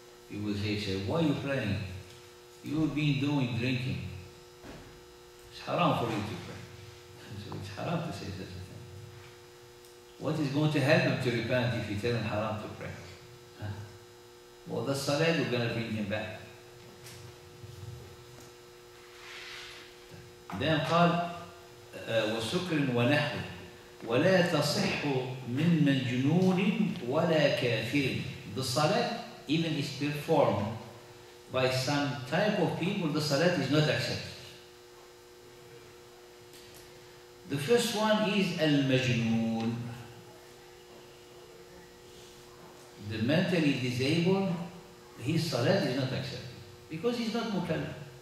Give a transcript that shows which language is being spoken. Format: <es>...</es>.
<en>He will say, why are you praying? You've been doing drinking. It's haram for you to pray. So it's haram to say that. What is going to happen to repent if you tell him haram to pray? Well, the salat is going to bring him back. Then</en> <ar>قال وسكر ونحو ولا تصح من مجنون ولا كافر.</ar> <en>The salat, even if performed by some type of people, the salat is not accepted. The first one is al-majnoon. The mentally disabled, his salat is not accepted because he's not mukallaf.</en>